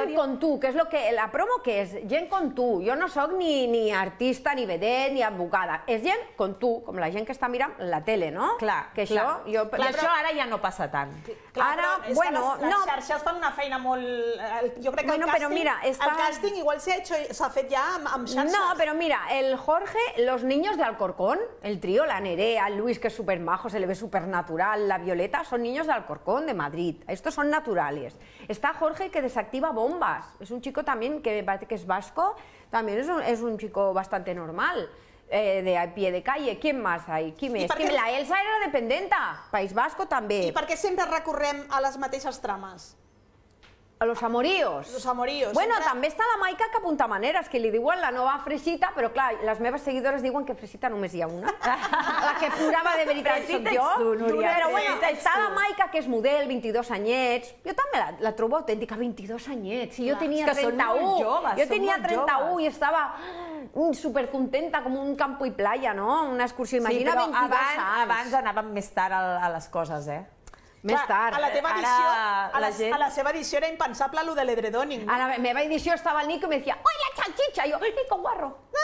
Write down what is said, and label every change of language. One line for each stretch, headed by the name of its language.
Catalan: Eren gent com tu, que és lo que... La promo que és? Gent com tu. Jo no sóc ni artista, ni vedet, ni advocada. És gent com tu, com la gent que està mirant la tele, no? Clar, que això, clar. Això ara ja no passa tant. Les xarxes fan una feina molt... Jo crec que bueno, el càsting... Però mira, igual s'ha fet ja amb xarxes. No, però mira,
Spanish: el Jorge, los niños de Alcorcón, el trio, la Nerea, el Luis, que es súper majo, se le ve súper natural, la Violeta, son niños de Alcorcón, de Madrid. Estos son naturales. Está Jorge, que desactiva bombas. Es un chico también que es vasco, también es un chico bastante normal, de a pie de calle. ¿Quién más hay? ¿Quién es?
Catalan: Perquè... La Elsa era dependenta, País Vasco també. I per què sempre recorrem a les mateixes trames?
Spanish: Los amoríos. Los amoríos.
Catalan: Bueno, sempre... també està la Maica que apunta maneres, que li diuen la nova Fresita, però clar, les meves seguidores diuen que Fresita només hi ha una. La que curava de veritat sóc jo. Fresita ets tu, Núria. Però bueno, està la Maica, que és model, 22 anyets. Jo també la trobo autèntica, 22 anyets. Si jo tenia 31. Són molt joves. Jo tenia 31 i estava supercontenta,
Spanish: com un campo i playa,
Catalan: no? Una excursió. Imagina 22 anys. Sí, però abans anàvem més tard a les coses, eh? Més tard. A la teva edició, a la seva edició era impensable lo de l'edredoning. A la meva edició estava el Nico i
Spanish: me decía, ¡oy, la chanchicha!
Catalan: I jo,
Spanish: ¡ay, con guarro!